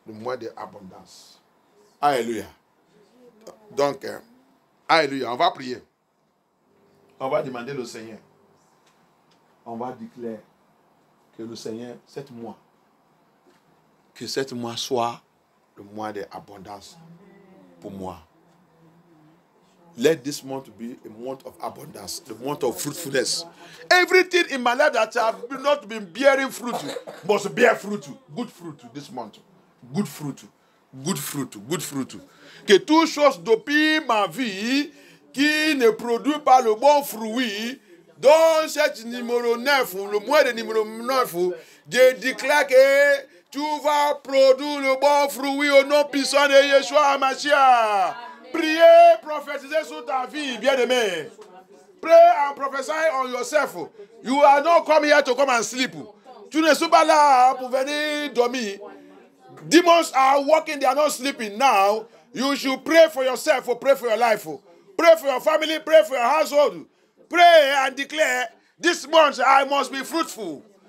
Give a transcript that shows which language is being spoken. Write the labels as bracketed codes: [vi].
[fr] Le mois d'abondance. Alléluia. Donc, alléluia. On va prier. On va demander le Seigneur. On va déclarer que le Seigneur, cet mois, que cet mois soit le mois d'abondance pour moi. [en] Let this month be a month of abundance, the month of fruitfulness. Everything in my life that have not been bearing fruit must bear fruit, good fruit this month. good fruit, good fruit, good fruit. [fr] Que toute chose depuis ma vie qui ne produit pas le bon fruit, dans cette numéro 9, le mois de numéro 9, je déclare que tu vas produire le bon fruit au nom puissant de Yeshua HaMashiach. Priez, prophétisez sur ta vie, bien-aimé. [en] Pray and prophesy on yourself. You are not coming here to come and sleep. [fr] Tu ne sois pas là pour venir dormir. [en] Demons are walking, they are not sleeping now. You should pray for yourself, pray for your life. Pray for your family, pray for your household. Pray and declare, this month I must be fruitful.